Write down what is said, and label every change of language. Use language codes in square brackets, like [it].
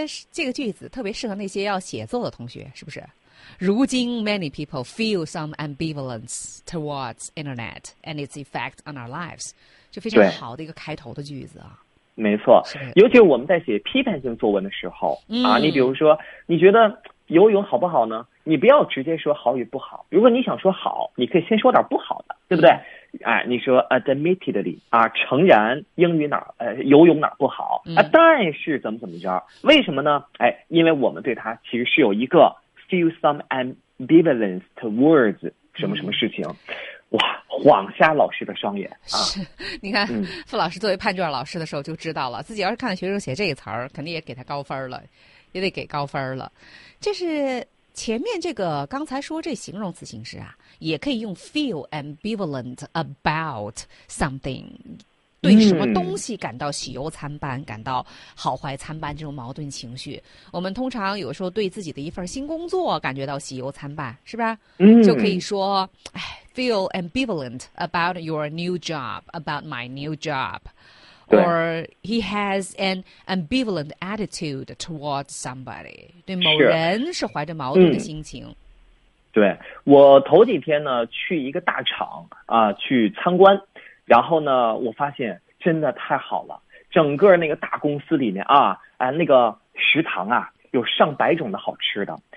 [zh] 这个句子特别适合那些要写作的同学，是不是？如今 [en] ，many people feel some ambivalence towards internet and its effect on our lives， [zh] 就非常好的一个开头的句子啊。没错，尤其我们在写批判性作文的时候啊，你比如说你觉得游泳好不好呢，你不要直接说好与不好，如果你想说好，你可以先说点不好的，对不对？你说 admittedly 啊，诚然英语哪游泳哪不好啊，但是怎么怎么着，为什么呢？因为我们对它其实是有一个 [en] feel some ambivalence towards [zh] 什么什么事情。哇，晃瞎老师的双眼啊！是，你看傅老师作为判卷老师的时候就知道了，自己要是看到学生写这个词儿，肯定也给他高分了，也得给高分了。这是前面这个刚才说这形容词形式啊，也可以用 [en] feel ambivalent about something， [zh] 对什么东西感到喜忧参半，感到好坏参半这种矛盾情绪。我们通常有时候对自己的一份新工作感觉到喜忧参半，是吧？就可以说， [en] feel ambivalent about your new job, about my new job. Or he has an ambivalent attitude towards somebody. [zh] 对某人是怀着矛盾的心情。对，我头几天呢去一个大厂啊去参观，然后呢我发现真的太好了，整个那个大公司里面啊，那个食堂啊有上百种的好吃的。